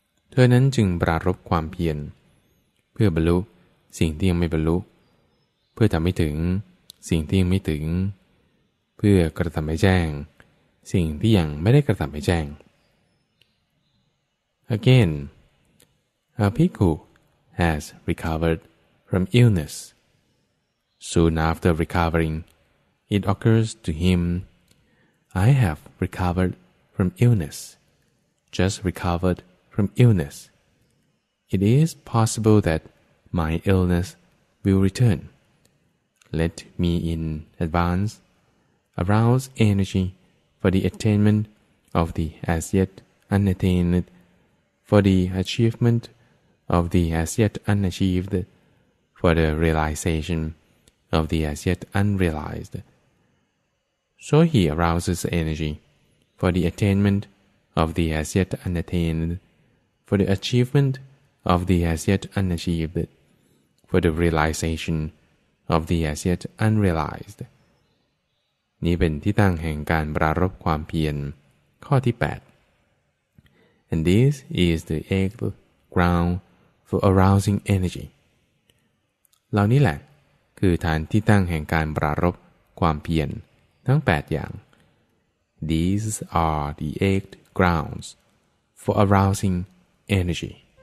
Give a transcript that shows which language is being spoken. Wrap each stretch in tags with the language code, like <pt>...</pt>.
<th>เธอนั้นจึงปรารภความเพียรเพื่อบรรลุสิ่งที่ยังไม่บรรลุเพื่อทำให้ถึงสิ่งที่ยังไม่ถึงเพื่อกระทำให้แจ้งสิ่งที่ยังไม่ได้กระทำให้แจ้ง</th> <en>Again, a bhikkhu has recovered from illness. Soon after recovering, it occurs to him, I have recovered from illness, just recovered from illness. It is possible that my illness will return. Let me in advance arouse energy for the attainment of the as yet unattained, for the achievement of the as yet unachieved, for the realization of the as yet unrealized. So he arouses energy for the attainment of the as yet unattained, for the achievement of the as yet unachieved, for the realization. Of the as yet unrealized.</en> <th>นี้เป็นที่ตั้งแห่งการปรารภความเพียรข้อที่8</th> <en>And this is the eighth ground for arousing energy.</en> <th>เหล่านี้แหละคือฐานที่ตั้งแห่งการปรารภความเพียรทั้ง8อย่าง</th> <en>These are the eight grounds for arousing energy.</en>